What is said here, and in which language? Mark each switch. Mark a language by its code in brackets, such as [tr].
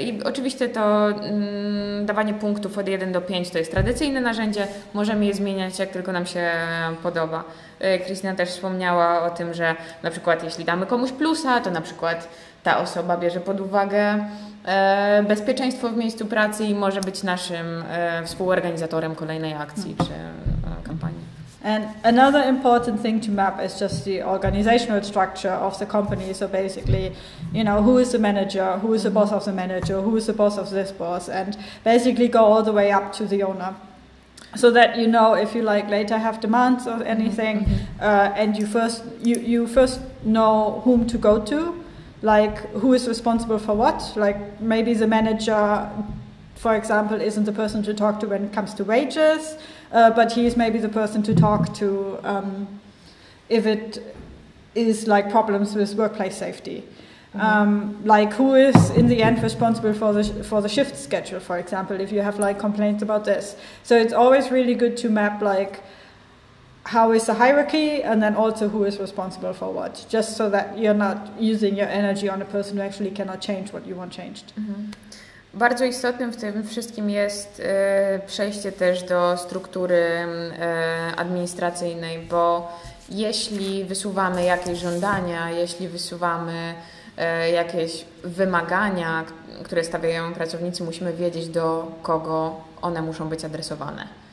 [pl] I oczywiście to dawanie punktów od 1 do 5 to jest tradycyjne narzędzie, możemy je zmieniać jak tylko nam się podoba. Krystyna też wspomniała o tym, że na przykład jeśli damy komuś plusa, to na przykład ta osoba bierze pod uwagę bezpieczeństwo w miejscu pracy i może być naszym współorganizatorem kolejnej akcji czy kampanii. [en] And another important thing to map is just the organizational structure of the company. So basically, you know, who is the manager, who is the boss of the manager, who is the boss of this boss, and basically go all the way up to the owner. So that you know if you like later have demands or anything, and you first know whom to go to, like who is responsible for what, like maybe the manager, for example, isn't the person to talk to when it comes to wages, but he is maybe the person to talk to if it is like problems with workplace safety. Like who is in the end responsible for the shift schedule, for example, if you have like complaints about this. So it's always really good to map like how is the hierarchy and then also who is responsible for what, just so that you're not using your energy on a person who actually cannot change what you want changed. Mm-hmm. [pl] Bardzo istotnym w tym wszystkim jest przejście też do struktury administracyjnej, bo jeśli wysuwamy jakieś żądania, jeśli wysuwamy jakieś wymagania, które stawiają pracownicy, musimy wiedzieć, do kogo one muszą być adresowane.